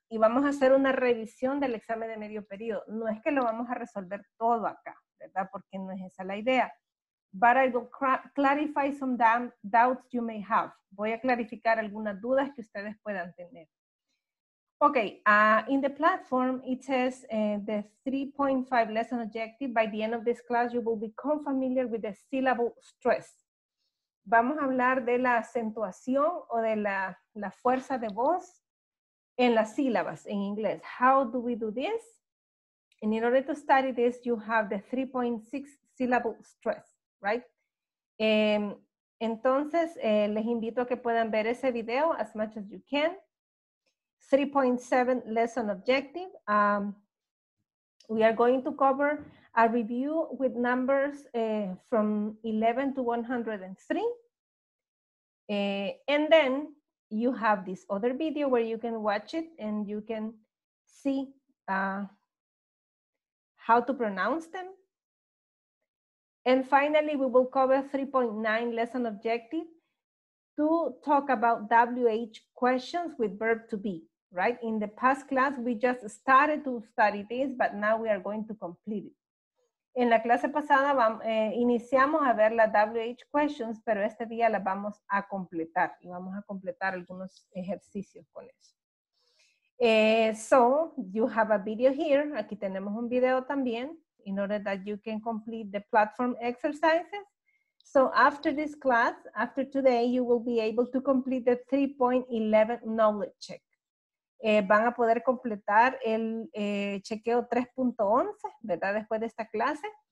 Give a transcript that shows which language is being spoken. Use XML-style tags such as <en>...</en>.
<es>Y vamos a hacer una revisión del examen de medio periodo. No es que lo vamos a resolver todo acá, ¿verdad? Porque no es esa la idea.</es> <en>But I will clarify some doubts you may have.</en> <es>Voy a clarificar algunas dudas que ustedes puedan tener.</es> <en>Okay, in the platform, it says the 3.5 lesson objective. By the end of this class, you will become familiar with the syllable stress.</en> <es>Vamos a hablar de la acentuación o de la fuerza de voz en las sílabas en inglés.</es> <en>How do we do this? And in order to study this, you have the 3.6 syllable stress. Right.</en> <es>Entonces, les invito a que puedan ver ese video</es> <en>as much as you can. 3.7 lesson objective. We are going to cover a review with numbers from 11 to 103. And then you have this other video where you can watch it and you can see how to pronounce them. And finally, we will cover 3.9 lesson objective to talk about WH questions with verb to be, right? In the past class, we just started to study this, but now we are going to complete it.</en> <es>En la clase pasada, iniciamos a ver las WH questions, pero este día las vamos a completar y vamos a completar algunos ejercicios con eso.</es> <en>So, you have a video here.</en> <es>Aquí tenemos un video también.</es> <en>In order that you can complete the platform exercises. So after this class, after today, you will be able to complete the 3.11 knowledge check.</en> <es>Van a poder completar el chequeo 3.11, ¿verdad? Después de esta clase.</es>